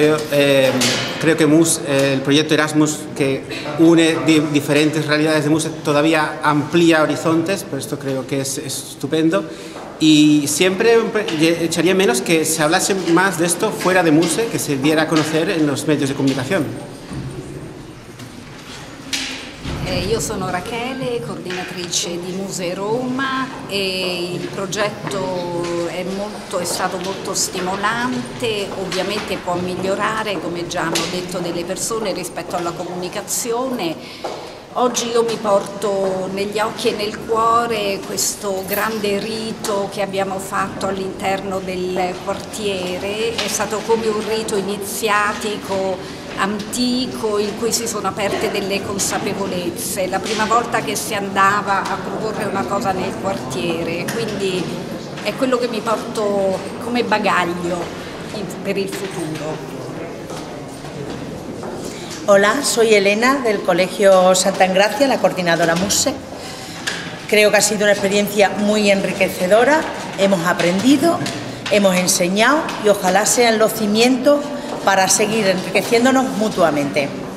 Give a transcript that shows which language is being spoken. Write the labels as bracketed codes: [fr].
[es] Pero creo que el proyecto Erasmus, que une diferentes realidades de Muse, todavía amplía horizontes, por esto creo que es estupendo. Y siempre echaría menos que se hablase más de esto fuera de Muse, que se diera a conocer en los medios de comunicación. [it] Io sono Rachele, coordinatrice di Muse Roma e il progetto è stato molto stimolante, ovviamente può migliorare, come già hanno detto delle persone, rispetto alla comunicazione. Oggi io mi porto negli occhi e nel cuore questo grande rito che abbiamo fatto all'interno del quartiere, è stato come un rito iniziatico antico in cui si sono aperte delle consapevolezze, la prima volta che si andava a proporre una cosa nel quartiere, quindi è quello che mi porto come bagaglio per il futuro. [es] Hola, soy Elena del Colegio Santa Engracia, la coordinadora Muse. Creo que ha sido una experiencia muy enriquecedora, hemos aprendido, hemos enseñado y ojalá sean los cimientos para seguir enriqueciéndonos mutuamente.